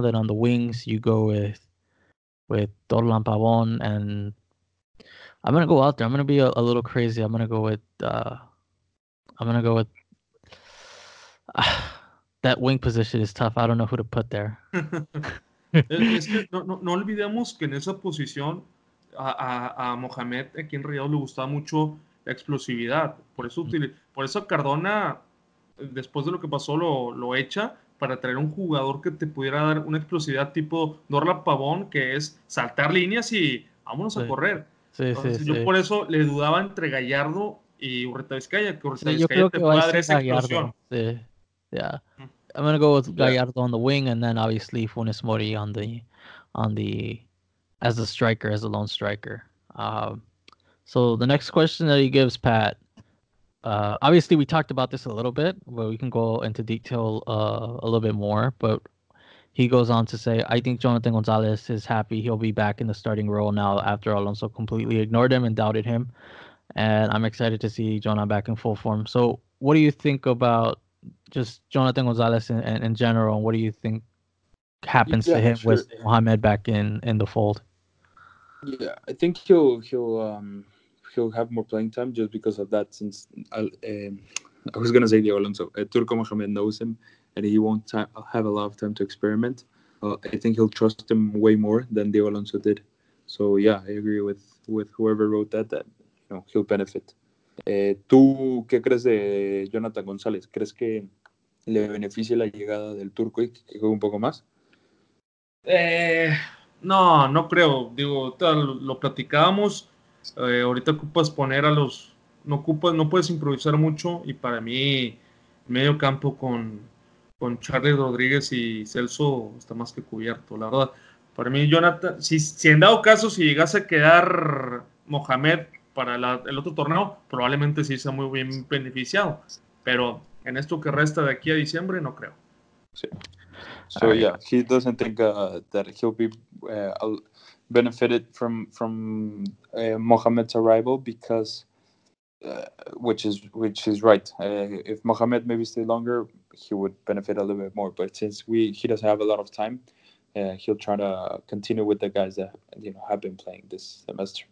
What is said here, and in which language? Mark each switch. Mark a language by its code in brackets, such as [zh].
[en] Then on the wings, you go with Dorlan Pavón. And I'm gonna go out there. I'm gonna be a little crazy. I'm gonna go with that wing position is tough. I don't know who to put there. [es] Es que no olvidemos que en esa posición a Mohamed aquí en Rayados le gustaba mucho la explosividad. Por eso Cardona, después de lo que pasó, lo echa para traer un jugador que te pudiera dar una explosividad tipo Dorlan Pavón, que es saltar líneas y vámonos a correr. Sí, entonces, sí, yo sí. Por eso le dudaba entre Gallardo y Urreta Vizcaya, que Urreta Vizcaya te pueda dar esa explosión. [en] I'm gonna go with Gallardo on the wing, and then obviously Funes Mori as a striker, as a lone striker. So the next question that he gives Pat, obviously we talked about this a little bit, but we can go into detail a little bit more. But he goes on to say, I think Jonathan Gonzalez is happy he'll be back in the starting role now after Alonso completely ignored him and doubted him, and I'm excited to see Jonah back in full form. So what do you think about just Jonathan Gonzalez in general, and what do you think happens to him with Mohamed back in the fold? Yeah, I think he'll have more playing time just because of that. Since I was gonna say the Alonso, Turco Mohamed knows him, and he won't have a lot of time to experiment. I think he'll trust him way more than the Alonso did. So yeah, I agree with whoever wrote that you know he'll benefit. [es] ¿Tú qué crees de Jonathan González? ¿Crees que le beneficie la llegada del Turco y que juegue un poco más? No creo. Digo, lo platicábamos. Ahorita ocupas poner a los... No puedes improvisar mucho. Y para mí, medio campo con Charlie Rodríguez y Celso está más que cubierto, la verdad. Para mí, Jonathan... Si en dado caso, si llegase a quedar Mohamed para el otro torneo, probablemente sí sea muy bien beneficiado. Pero en esto que resta de aquí a diciembre, no creo. Sí. [en] So, yeah, he doesn't think that he'll be benefited from Mohamed's arrival because, which is right. If Mohamed maybe stayed longer, he would benefit a little bit more. But since he doesn't have a lot of time, he'll try to continue with the guys that you know have been playing this semester.